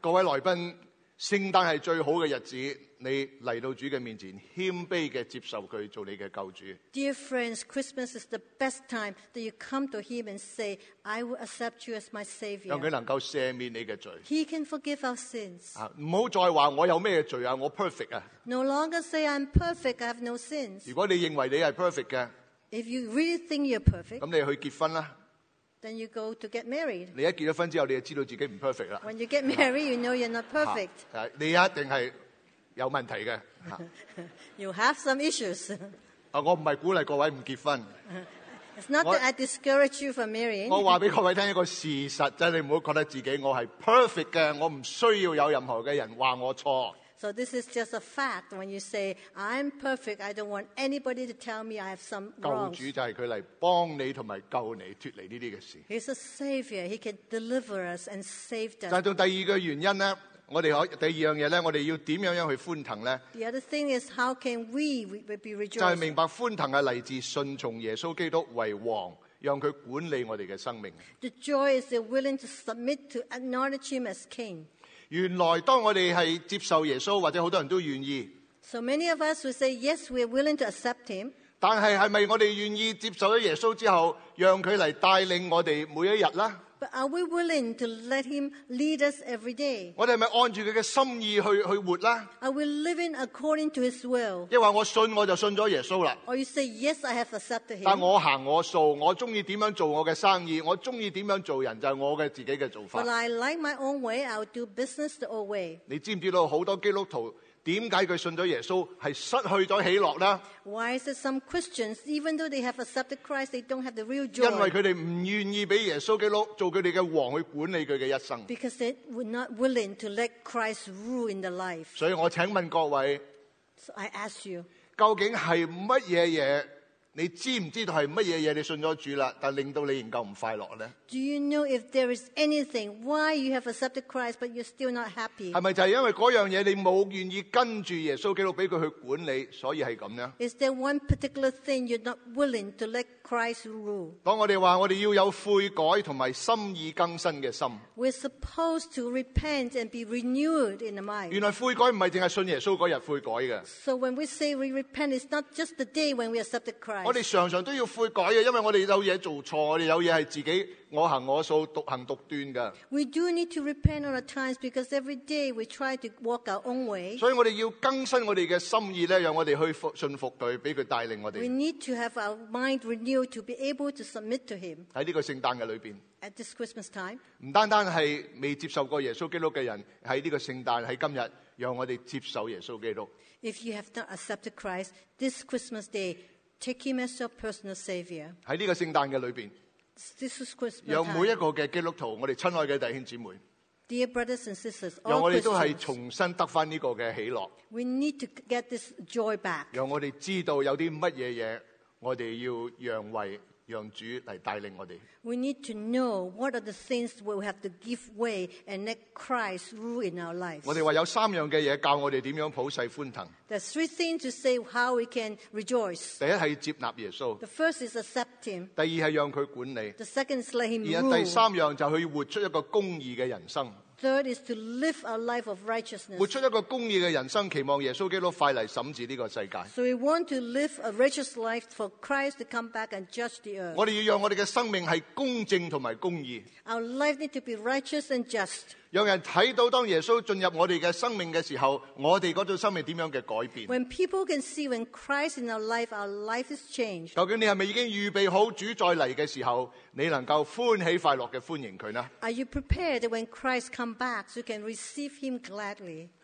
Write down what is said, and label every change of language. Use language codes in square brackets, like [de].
[zh] 各位来宾，圣诞系最好嘅日子，你嚟到主嘅面前，谦卑嘅接受佢做你嘅救主。 [en] Dear friends, Christmas is the best time that you come to Him and say, "I will accept you as my Savior." [zh] 让佢能够赦免你嘅罪。 [en] He can forgive our sins. [zh] 啊，唔好再话我有咩罪啊，我 perfect 啊。 [en] No longer say I'm perfect. I have no sins. [zh] 如果你认为你系 perfect 嘅 [en] ，If you really think you're perfect， [zh] 咁你去结婚啦。 [en] Then you go to get married. [zh] 你一结咗婚之后，你就知道自己唔 perfect 啦。 [en] When you get married, you know you're not perfect. [zh] 你一定系有问题嘅。 [en] You have some issues. [zh] 我唔系鼓励各位唔结婚。 [en] It's not that I discourage you from marrying. [zh] 我话俾各位听一个事实，即系你唔好觉得自己我系 perfect 嘅，我唔需要有任何嘅人话我错。 [en] So this is just a fact. When you say I'm perfect, I don't want anybody to tell me I have some wrongs. [zh] 救主就系佢嚟帮你同埋救你脱离呢啲嘅事。 [en] He's a savior. He can deliver us and save us. [zh] 但系第二个原因咧，第二样嘢咧，我哋要点样样去欢腾咧 [en] ？The other thing is how can we be rejoicing? [zh] 就系明白欢腾系嚟自顺从耶稣基督为王。让他管理我们的生命。 [en] The joy is they're willing to submit to acknowledge him as king. [zh] 原来当我们是接受耶稣，或者很多人都愿意。 [en] So many of us would say, yes, we're willing to accept him. [zh] 但是是不是我们愿意接受了耶稣之后，让他来带领我们每一天呢？ [en] But are we willing to let him lead us every day? [zh] 我们是不是按着他的心意去活呢？ [en] Are we living according to his will? [zh] 因为我信我就信了耶稣了。 [en] Or you say, yes, I have accepted him. [zh] 但我行我数，我喜欢怎样做我的生意，我喜欢怎样做人，就是我的自己的做法。 [en] But I like my own way, I'll do business the old way. [zh] 你知不知道很多基督徒点解佢信咗耶稣系失去咗喜乐呢 [en] ？Why is it some Christians, even though they have accepted Christ, they don't have the real joy？ [zh] 因为佢哋唔愿意俾耶稣基督做佢哋嘅王去管理佢嘅一生。 [en] Because they were not willing to let Christ rule in the life。 [zh] 所以我请问各位 [en] ，So I ask you， [zh] 究竟系乜嘢嘢你知唔知道系乜嘢嘢？你信咗主啦，但令到你仍旧唔快乐咧 [en] ？Do you know if there is anything why you have accepted Christ but you're still not happy？ [zh] 系咪就系因为嗰样嘢你冇愿意跟住耶稣基督俾佢去管理，所以系咁咧 [en] ？Is there one particular thing you're not willing to let Christ rule？ [zh] 当我哋话我哋要有悔改同埋心意更新嘅心 [en] ，We're supposed to repent and be renewed in the mind。 [zh] 原来悔改唔系净系信耶稣嗰日悔改嘅。 [en] So when we say we repent, it's not just the day when we accepted Christ。 [zh] 我哋常常都要悔改嘅，因为我哋有嘢做错，我哋有嘢系自己我行我素、独行独断嘅。 [en] We do need to repent at times because every day we try to walk our own way。 [zh] 所以我哋要更新我哋嘅心意咧，让我哋去信服佢，俾佢带领我哋。 [en] We need to have our mind renewed to be able to submit to Him。 [zh] 喺呢个圣诞嘅里边。 [en] At this Christmas time。 [zh] 唔单单系未接受过耶稣基督嘅人，喺呢个圣诞喺今日，让我哋接受耶稣基督。 [en] If you have not accepted Christ this Christmas day。 Take him as your personal savior. [zh] 在这个圣诞的里面 [en] This is Christmas time. [zh] 让每一个的基督徒我们亲爱的弟兄姊妹 [en] Dear brothers and sisters, all Christians. [zh] 让我们都是重新得回这个喜乐 [en] We need to get this joy back. [zh] 让我们知道有些什么东西我们要让位让主来带领我们 [en] We need to know what are the things we have to give way and let Christ rule in our lives. [zh] 我们说有三样的东西教我们怎样抱世欢腾 [en] There's three things to say how we can rejoice. [zh] 第一是接纳耶稣 [en] The first is accept him. [zh] 第二是让他管理 [en] The second is let him rule. [zh] 然后第三样就是他活出一个公义的人生 [en] Third is to live a life of righteousness. [zh] 活出一个公义的人生期望耶稣基督快来审治这个世界 [en] So we want to live a righteous life for Christ to come back and judge the earth. [zh] 我们要让我们的生命是公正和公义 [en] Our life needs to be righteous and just. [zh] 让人看到当耶稣进入我们的生命的时候我们那种生命怎样的改变 [en] When people can see when Christ in our life is changed. [zh] 究竟你是不是已经预备好主再来的时候你能够欢喜快乐地欢迎他呢 [en] Are you prepared when Christ comes back so you can receive him gladly?